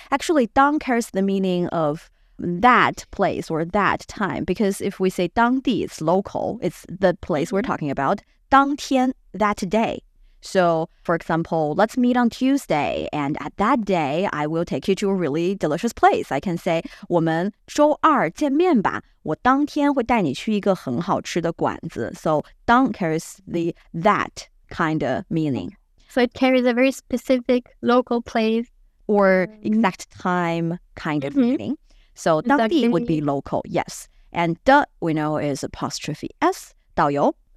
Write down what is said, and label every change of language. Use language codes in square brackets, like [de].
[en] Actually, 当 carries the meaning of that place or that time. Because if we say 当地, it's local. It's the place we're talking about. 当天, that day. So, for example, let's meet on Tuesday, and at that day, I will take you to a really delicious place. [zh] I can say, 我们周二见面吧。我当天会带你去一个很好吃的馆子。 [en] So, 当 carries the that kind of meaning. So, it carries a very specific local place. Or exact time kind of meaning. So, 当地 would be local, yes. And 的, we know, is apostrophe S. 导游